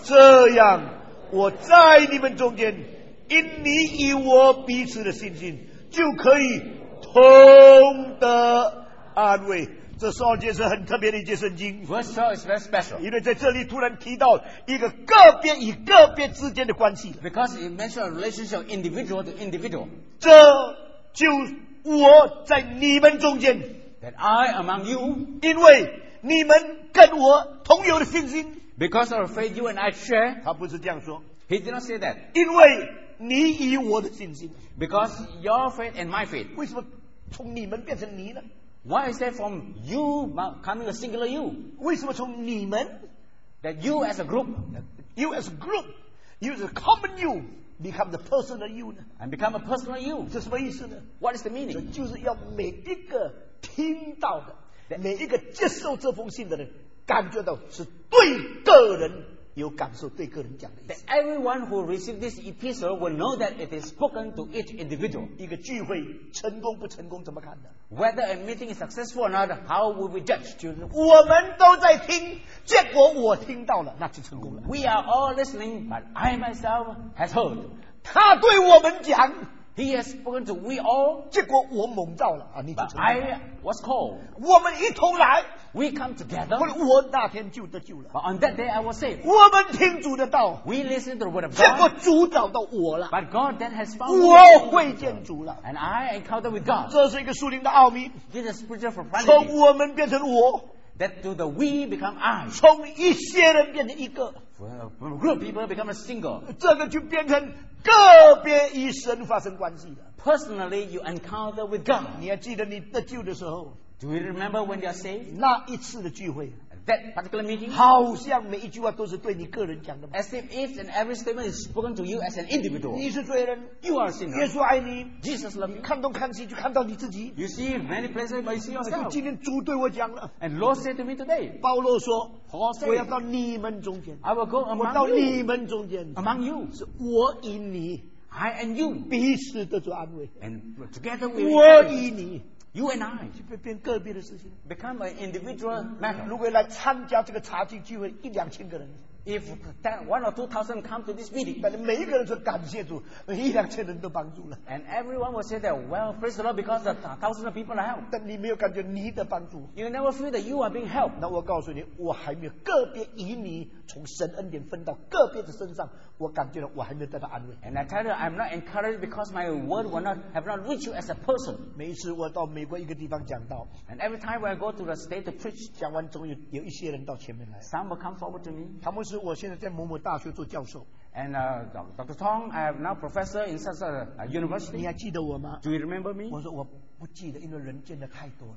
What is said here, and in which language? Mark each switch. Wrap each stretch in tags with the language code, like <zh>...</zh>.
<zh>这样我在你们中间因你与我彼此的信心就可以同得安慰。这十二节是很特别的一节圣经。</zh> <en>Verse 12 is very special.</en> <zh>因为在这里突然提到一个个别与个别之间的关系。</zh> <en>Because it mentions a relationship individual to individual.</en> <zh>这就我在你们中间。</zh> <en>That I among you,</en> <zh>因为你们跟我同有的信心</zh> <en>，because of faith you and I share，</en> <zh>他不是这样说</zh> <en>，he did not say that，</en> <zh>因为你与我的信心</zh> <en>，because your faith and my faith，</en> <zh>为什么从你们变成你呢</zh> <en>？Why is that from you coming a singular you？</en> <zh>为什么从你们</zh> <en>，that you as a group， you as a group， you as a common you。 Become the personal you. And become a personal you.</en> <zh>这什么意思呢？</zh> <en>What is the meaning?</en> <zh>就是要每一个听到的，每一个接受这封信的人，感觉到是对个人有感受，对个人讲的意思。</zh> <en>That everyone who received this epistle will know that it is spoken to each individual.</en> <zh>一个聚会成功不成功怎么看的？</zh> <en>Whether a meeting is successful or not, how will we judge?</en> <zh>就是我们都在听，结果我听到了，那就成功了。</zh> <en>We are all listening, but I myself has heard.</en> <zh>他对我们讲，</zh> <en>He has spoken to we all.</en> <zh>结果我蒙召了啊，你就成</zh> <en>了。I was called.</en> <zh>我们一同来。</zh> <en>We come together.</en> <zh>我那天就得救了。</zh> <en>But、on that day I was saved.</en> <zh>我们听主的道。</zh> <en>We listen to the word of God.</en> <zh>结果主找到我了。</zh> <en>But God then has found.</en> <zh>我会见主了。</zh> <en>And I encountered with God.</en> <zh>这是一个属灵的奥秘。</zh> <en>This is spiritual profundity.</en> <zh>从我们变成我。</zh> <en>That to the we become I.</en> <zh>从一些人变成一个。</zh> <en>Well, group people become a single.</en> <zh>这个就变成个别与神发生关系了。</zh> <en>Personally, you encounter with God.</en> <zh>你还记得你得救的时候？</zh> <en>Do you remember when you are saved?</en> <zh>那一次的聚会。</zh> <en>That particular meeting.</en> <zh>好像每一句话都是对你个人讲的。</zh> <en>As if each and every statement is spoken to you as an individual.</en> <zh>你是罪人。</zh> <en>You are a sinner.</en> <zh>耶稣爱你。</zh> <en>Jesus loves you.</en> <zh>看东看西就看到你自己。</zh> <en>You see many places, but you see yourself.</en> <zh>今天主对我讲了。</zh> <en>And Lord said to me today.</en> <zh>保罗说。</zh> <en>Paul said.</en> <zh>我要到你们中间。</zh> <en>I will go among you.</en> <zh>我到你们中间。</zh> <en>Among you.</en> <zh>是我与你。</zh> <en>I and you.</en> <zh>彼此的做安慰。</zh> <en>And together we.</en> <zh>我与你。</zh> <en>You and I</en> <zh>就变个别的事情</zh> <en>，become an individual matter。</en> <zh>如果来参加这个茶经聚会，一两千个人</zh> <en>，if that one or two thousand come to this meeting，</en> <zh>但是每一个人说感谢主，一两千人都帮助了。</zh> <en>And everyone will say that, well, praise the Lord because the thousands of people help。</en> <zh>但你没有感觉你的帮助</zh> <en>，you never feel that you are being helped。</en> <zh>那我告诉你，我还没有个别以你从神恩典分到个别的身上，我感觉我还没有得到安慰。</zh> <en>And I tell you, I'm not encouraged because my word will not have not reached you as a person。</en> <zh>每次我到每过一个地方讲道</zh> <en>，and every time when I go to the state to preach，</en> <zh>讲完总有一些人到前面来</zh> <en>，some will come forward to me。</en> <zh>他们说我现在在某某大学做教授</zh> <en>，and Dr. Tong， I am now professor in such a university。</en> <zh>你还记得我吗</zh> <en>？Do you remember me？</en> <zh>我说我不记得，因为人见的太多了。</zh>